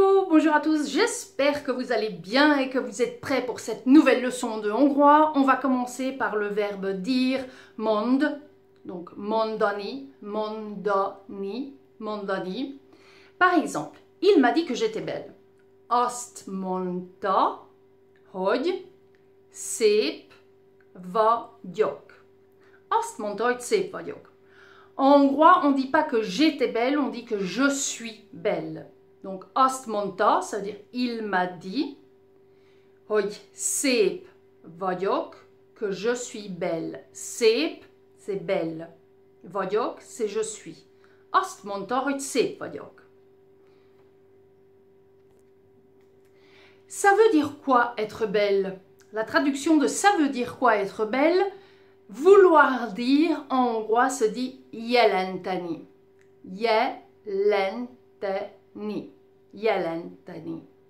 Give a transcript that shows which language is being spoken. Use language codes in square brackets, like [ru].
[fr] Bonjour à tous, j'espère que vous allez bien et que vous êtes prêts pour cette nouvelle leçon de hongrois. On va commencer par le verbe dire, mond, donc [hu] mondani, mondani, mondani. [fr] Par exemple, il m'a dit que j'étais belle. [hu] Azt mondta, hogy szép vagyok. Azt mondta, hogy szép vagyok. [fr] En hongrois, on ne dit pas que j'étais belle, on dit que je suis belle. Donc, [hu] azt mondta, [fr] ça veut dire il m'a dit, [hu] hogy szép vagyok, [fr] que je suis belle. Szép, c'est belle. Vagyok, c'est je suis. [hu] Azt mondta, hogy szép vagyok. [fr] Ça veut dire quoi être belle? La traduction de ça veut dire quoi être belle? Vouloir dire en hongrois se dit jelenteni. [hu] Jelenteni. Jelenteni.